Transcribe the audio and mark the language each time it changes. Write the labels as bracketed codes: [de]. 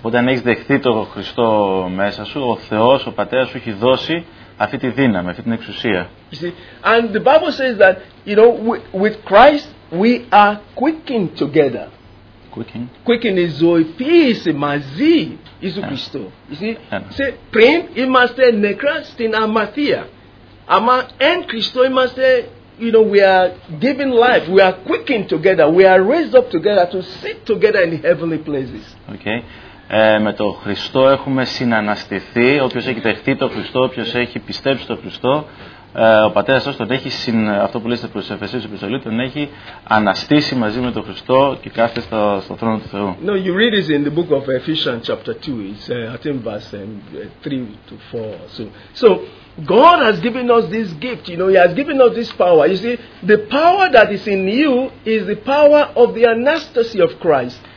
[el] Όταν έχεις δεχθεί τον Χριστό μέσα σου, ο Θεός, ο Πατέρας σου έχει δώσει αυτή τη δύναμη, αυτή την εξουσία. [en] You see, and the Bible says that, you know, with Christ we are quickened together. Quickened [el] is ζωηθείς μαζί Ιησού Χριστό. [en] You see, say, [el] πριν είμαστε νεκρά στην αμαρτία, αμα εν Χριστώ είμαστε, [en] you know, we are given life, we are quickened together, we are raised up together to sit together in the heavenly places. Okay. [el] Με το Χριστό έχουμε συναναστηθεί, όποιος έχει δεχτεί το Χριστό, όποιος έχει πιστέψει το Χριστό, ο Πατέρας αυτός τον έχει, αυτό που λέει στην Εφεσίου της Επιστολή, τον έχει αναστήσει μαζί με το Χριστό και κάθεται στο θρόνο του Θεού. [en] No, you read it in the book of Ephesians chapter 2, it's I think verse 3 to 4. So God has given us this gift, you know, he has given us this power. You see, the power that is in you is the power of the anastasy of Christ.